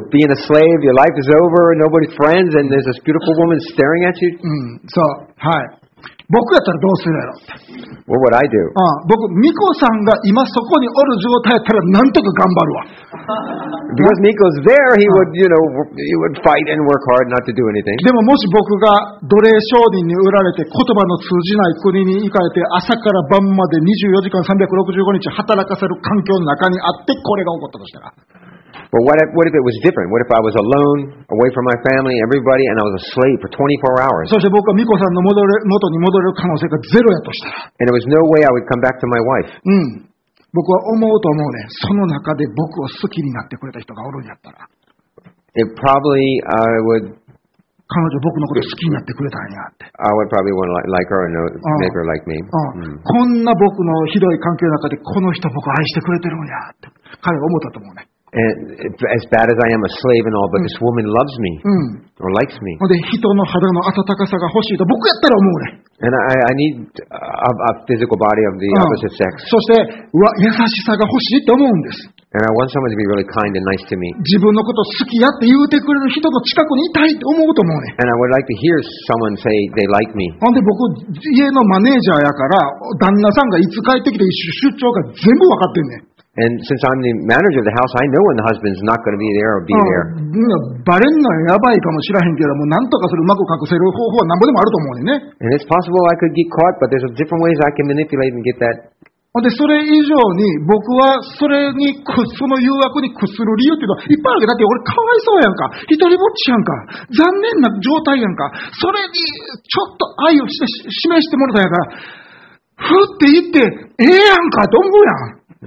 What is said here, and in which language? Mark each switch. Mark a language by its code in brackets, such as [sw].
[en] Being a slave, your life is over, nobody's friends, and there's this beautiful woman staring at you? [ja] So, はい。僕やったらどうするやろ? [en] What would I do? [ja] 僕、ミコさんが今そこにおる状態やったらなんとか頑張るわ。 [en] Because Miko's there, he would, you know, he would fight and work hard not to do anything. [ja] でももし僕が奴隷商人に売られて言葉の通じない国に行かれて朝から晩まで24時間365日働かせる環境の中にあってこれが起こったとしたら。 [en] But what if it was different? What if I was alone, away from my family, everybody, and I was a slave for 24 hours? [ja] そして僕は美子さんの元に戻れる可能性がゼロやとしたら。 [en] And there was no way I would come back to my wife. [ja] うん。僕は思うと思うね。その中で僕を好きになってくれた人がおるんやったら。 [en] It probably I would... [ja] 彼女僕のこと好きになってくれたんやって。 [en] I would probably want to like her and make her like me. [ja] こんな僕のひどい環境の中でこの人僕愛してくれてるんやって。彼は思ったと思うね。 [en] And as bad as I am a slave and all, but this woman loves me or likes me. [ja] で、人の肌の温かさが欲しいと僕やったら思うね。 [en] And I need a physical body of the opposite sex. [ja] そして、優しさが欲しいと思うんです。 [en] And I want someone to be really kind and nice to me. [ja] 自分のこと好きやって言うてくれる人の近くにいたいと思うと思うね。 [en] And I would like to hear someone say they like me. [ja] ほんで僕、家のマネージャーやから、旦那さんがいつ帰ってきて出張が全部わかってんね。 [en] And since I'm the manager of the house, I know when the husband's not going to be there or be there. [ja] バレんのはやばいかもしれへんけども、なんとかそれうまく隠せる方法は何ぼでもあると思うね。 [en] And it's possible I could get caught, but there's different ways I can manipulate and get that. [ja] でそれ以上に僕はその誘惑に屈する理由っていうのはいっぱいあるけど、だって俺かわいそうやんか、一人ぼっちやんか、残念な状態やんか、それにちょっと愛を示してもらったやから、ふって言ってええやんかと思うやん。